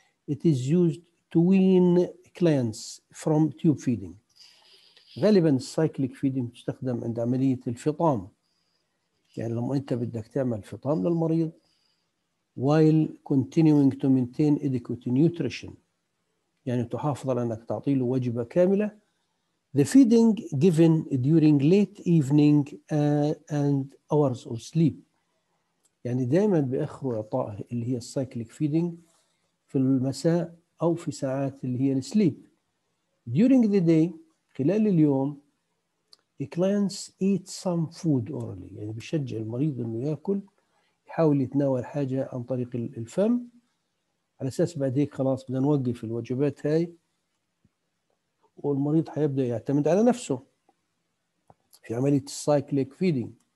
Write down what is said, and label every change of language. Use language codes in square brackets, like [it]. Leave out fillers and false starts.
[en] It is used to wean clients from tube feeding. [ar] غالباً cyclic feeding تستخدم عند عملية الفطام، يعني لما أنت بدك تعمل فطام للمريض [en] while continuing to maintain adequate nutrition، [ar] يعني تحافظ على أنك تعطي له وجبة كاملة. [en] The feeding given during late evening and hours of sleep. [ar] يعني دائما بأخروا إعطائه اللي هي cyclic feeding في المساء أو في ساعات اللي هي sleep. [en] During the day، [ar] خلال اليوم، [en] the clients eat some food orally. [ar] يعني بشجع المريض إنه يأكل، يحاول يتناول حاجة عن طريق الفم على أساس بعد هيك خلاص بدنا نوقف الوجبات هاي، والمريض حيبدأ يعتمد على نفسه في عملية cyclic feeding.